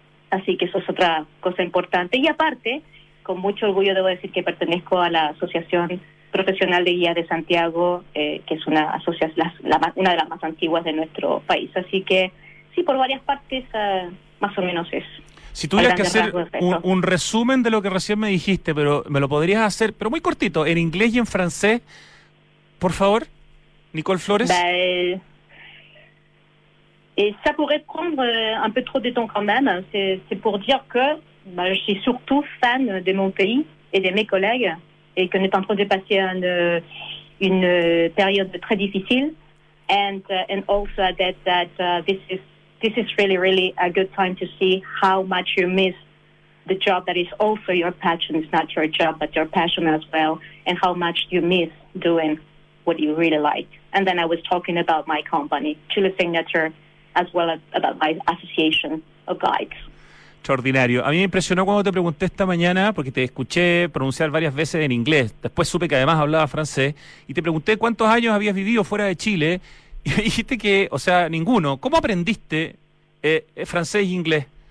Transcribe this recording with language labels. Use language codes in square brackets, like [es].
[es] Así que eso es otra cosa importante. Y aparte, con mucho orgullo debo decir que pertenezco a la Asociación Profesional de Guías de Santiago, que es una asociación, una de las más antiguas de nuestro país. Así que sí, por varias partes, más o menos es. Si tuvieras que hacer un resumen de lo que recién me dijiste, pero me lo podrías hacer, pero muy cortito, en inglés y en francés, por favor, Nicole Flores. [fr] Et ça pourrait prendre un peu trop de temps quand même. C'est pour dire que je suis surtout fan de mon pays et de mes collègues et qu'on est en train de passer une période très difficile. [en] And also this is really, really a good time to see how much you miss the job that is also your passion. It's not your job, but your passion as well. And how much you miss doing what you really like. And then I was talking about my company, Chile Signature, as well as about my association of guides. [es] Extraordinario. A mí me impresionó cuando te pregunté esta mañana, porque te escuché pronunciar varias veces en inglés, después supe que además hablaba francés, y te pregunté cuántos años habías vivido fuera de Chile, y dijiste que, o sea, ninguno. ¿Cómo aprendiste francés e inglés?